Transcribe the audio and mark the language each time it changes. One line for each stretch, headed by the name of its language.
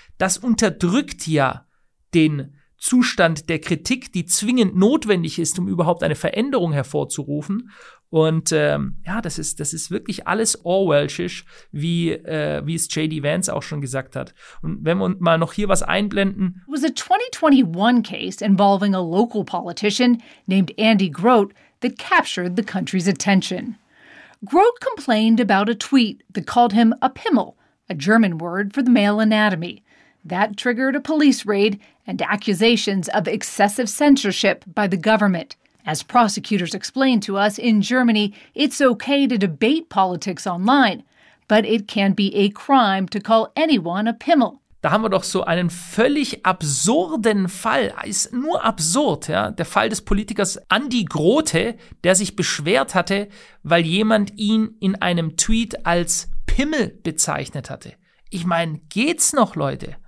German: Das unterdrückt ja den Zustand der Kritik, die zwingend notwendig ist, um überhaupt eine Veränderung hervorzurufen. Und das ist wirklich alles Orwellschisch, wie es J.D. Vance auch schon gesagt hat. Und wenn wir mal noch hier was einblenden.
English: It was a 2021 case involving a local politician named Andy Grote that captured the country's attention. Grote complained about a tweet that called him a Pimmel, a German word for the male anatomy. That triggered a police raid and accusations of excessive censorship by the government. As prosecutors explained to us, in Germany, it's okay to debate politics online, but it can be a crime to call anyone a Pimmel.
German: Da haben wir doch so einen völlig absurden Fall. Ist nur absurd, ja. Der Fall des Politikers Andy Grote, der sich beschwert hatte, weil jemand ihn in einem Tweet als Pimmel bezeichnet hatte. Ich meine, geht's noch, Leute?